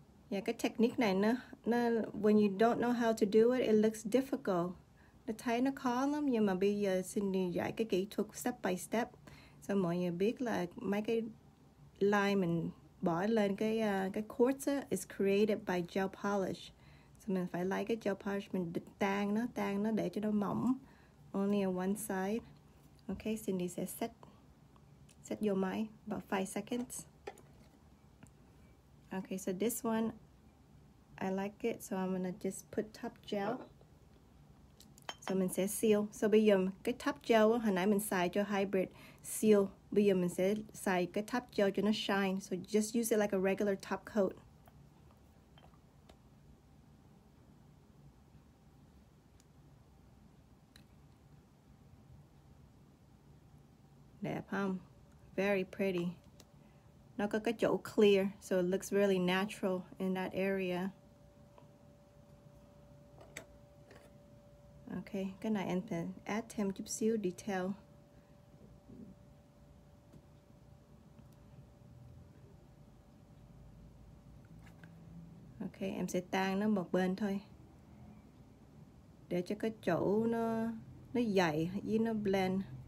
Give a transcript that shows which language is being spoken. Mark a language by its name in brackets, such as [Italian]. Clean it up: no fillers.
[English] Yeah, [Vietnamese] cái technique này nó [English] when you don't know how to do it, it looks difficult. [Vietnamese] Nó thấy nó khó lắm, nhưng mà bây giờ Cindy dạy cái kỹ thuật step by step. So mọi người biết là mấy cái line mình bỏ lên cái quartz [English] is created by gel polish. [Vietnamese] So mình phải lấy cái gel polish mình tan nó để cho nó mỏng. [English] Only on one side. Okay, Cindy sẽ set your mic about 5 seconds. Okay, so this one, I like it, so I'm gonna just put top gel. [Vietnamese] So mình sẽ seal. So bây giờ cái top gel hồi nãy mình xài cho hybrid seal. Bây giờ mình sẽ xài cái top gel cho nó shine. [English] So just use it like a regular top coat. [Vietnamese] Đẹp không? [English] Very pretty. [Vietnamese] Nó có cái chỗ clear, [English] so it looks really natural in that area. [Vietnamese] Okay, cái này em phải add thêm chút xíu detail. Okay, em sẽ tan nó một bên thôi. Để cho cái chỗ nó dày với nó blend.